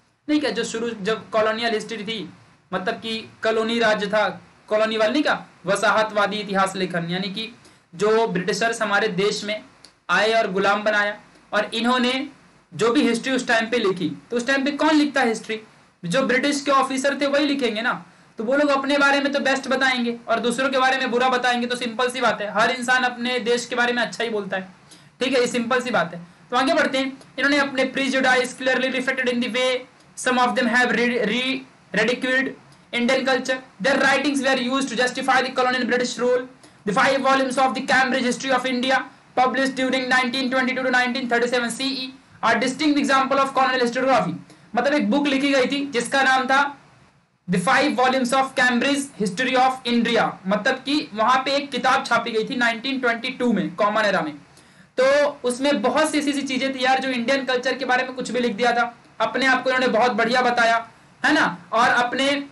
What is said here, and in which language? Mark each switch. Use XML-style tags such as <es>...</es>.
<hi>नहीं क्या जो शुरू जब कॉलोनियल हिस्ट्री थी, मतलब कि कॉलोनी राज्य था, कॉलोनी वाली का वसाहतवादी इतिहास लेखन, यानी कि जो ब्रिटिशर्स हमारे देश में आए और गुलाम बनाया, और इन्होंने जो भी हिस्ट्री उस टाइम पे लिखी, तो उस टाइम पे कौन लिखता हिस्ट्री, जो ब्रिटिश के ऑफिसर थे वही लिखेंगे ना, तो वो लोग अपने बारे में तो बेस्ट बताएंगे और दूसरों के बारे में बुरा बताएंगे, तो सिंपल सी बात है, हर इंसान अपने देश के बारे में अच्छा ही बोलता है, ठीक है, ये सिंपल सी बात है। तो आगे बढ़ते हैं। इन्होंने अपने</hi> <en>Prejudice clearly reflected in the way some of them have ridiculed Indian culture, their writings were used to justify the colonial British rule, the five volumes of the Cambridge History of India published during 1922 to 1937 CE are distinct example of colonial historiography।</en> <hi>मतलब एक book लिखी गई थी जिसका नाम था</hi> <en>the five volumes of Cambridge History of India,</en> <hi>मतलब कि वहां पे एक किताब छापी गई थी 1922 में कॉमन एरा में, तो उसमें बहुत सी ऐसी चीजें थी यार जो इंडियन कल्चर के बारे में कुछ भी लिख दिया था, अपने आप को इन्होंने बहुत बढ़िया बताया है ना, और अपने</hi>